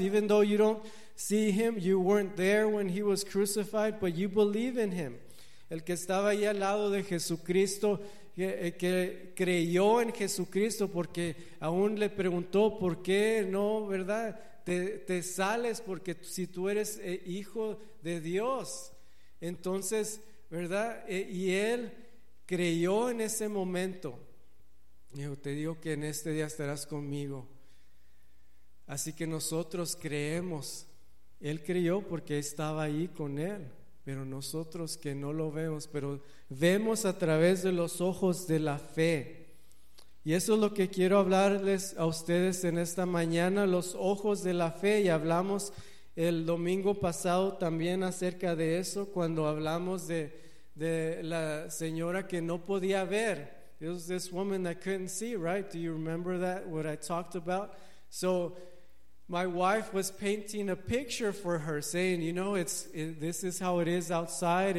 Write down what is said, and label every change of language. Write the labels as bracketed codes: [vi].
[en] Even though you don't see him, you weren't there when he was crucified, but you believe in him. [es] El que estaba ahí al lado de Jesucristo, que creyó en Jesucristo, porque aún le preguntó por qué no, ¿verdad? te sales, porque si tú eres hijo de Dios, entonces, ¿verdad? Y él creyó en ese momento. Dijo: te digo que en este día estarás conmigo. Así que nosotros creemos. Él creyó porque estaba ahí con él, pero nosotros que no lo vemos, pero vemos a través de los ojos de la fe. Y eso es lo que quiero hablarles a ustedes en esta mañana, los ojos de la fe. Y hablamos el domingo pasado también acerca de eso, cuando hablamos de la señora que no podía ver. [en] It was this woman that couldn't see, right? Do you remember that, what I talked about? So my wife was painting a picture for her, saying, you know, this is how it is outside.